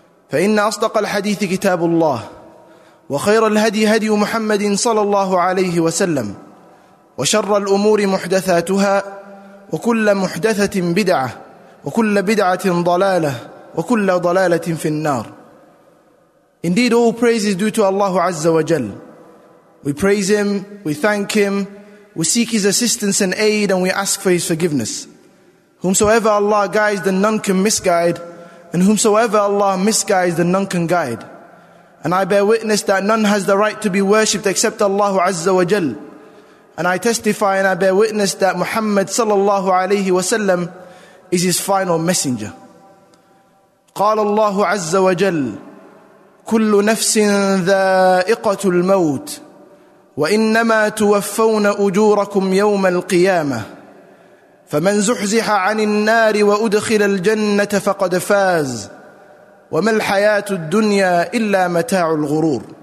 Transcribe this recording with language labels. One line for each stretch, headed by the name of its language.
Arabic: فإن أصدق الحديث كتاب الله وخير الهدي هدي محمد صلى الله عليه وسلم وشر الأمور محدثاتها وكل محدثة بدعة وكل بدعة ضلالة وكل ضلالة في النار.
English: Indeed, all praise is due to Allah Azza wa Jal. We praise Him, we thank Him, we seek His assistance and aid, and we ask for His forgiveness. Whomsoever Allah guides, then none can misguide, and whomsoever Allah misguides, then none can guide. And I bear witness that none has the right to be worshipped except Allah Azza wa Jal. And I testify and I bear witness that Muhammad sallallahu alayhi wa sallam is His final messenger.
Arabic: قال الله عز وجل كل نفس ذائقة الموت وإنما توفون أجوركم يوم القيامة فمن زحزح عن النار وأدخل الجنة فقد فاز وما الحياة الدنيا إلا متاع الغرور.